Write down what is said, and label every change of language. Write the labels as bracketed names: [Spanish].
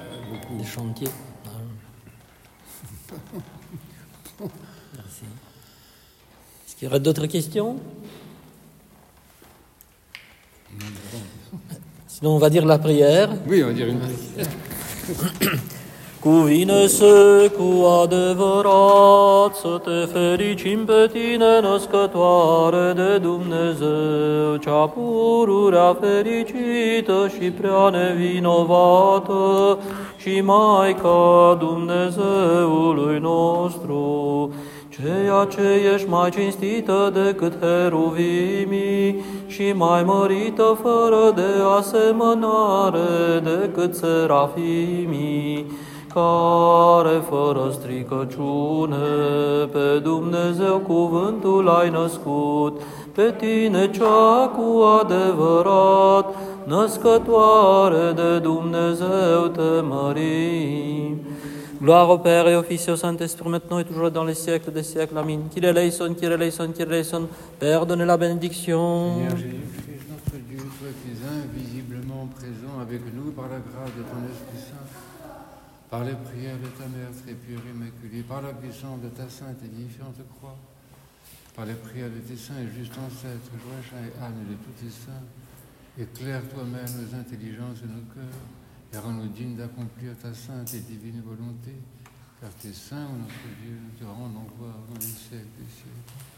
[French] Beaucoup. Des chantiers. Merci. Est-ce qu'il y aurait d'autres questions? Sinon, on va dire la prière. Oui, on va dire une prière. [Romanian] Cuvines cu adevărat să te fericim pe tine, născătoare de Dumnezeu, cea pururea fericită și prea nevinovată, și Maica Dumnezeului nostru, ceea ce ești mai cinstită decât heruvimii și mai mărită fără de asemănare decât serafimii, care, fără stricăciune, pe Dumnezeu cuvântul ai născut, pe tine cea cu adevărat, născătoare de Dumnezeu, te mărim. [French] Gloire au Père et au Fils et au Saint-Esprit, maintenant et toujours dans les siècles des siècles. Amen. [Greek] Kyrie eleison, Kyrie eleison, Kyrie eleison. [French] Père, donnez la bénédiction. Seigneur Jésus, notre Dieu, sois invisiblement présent avec nous par la grâce de ton Esprit Saint. Par les prières de ta Mère très pure et immaculée, par la puissance de ta sainte et vivifiante croix, par les prières de tes saints et justes ancêtres, Joachim et Anne et de tous tes saints, éclaire toi-même nos intelligences et nos cœurs, et rends-nous dignes d'accomplir ta sainte et divine volonté, car tes saints, ô notre Dieu, nous te rendons gloire dans les siècles des siècles.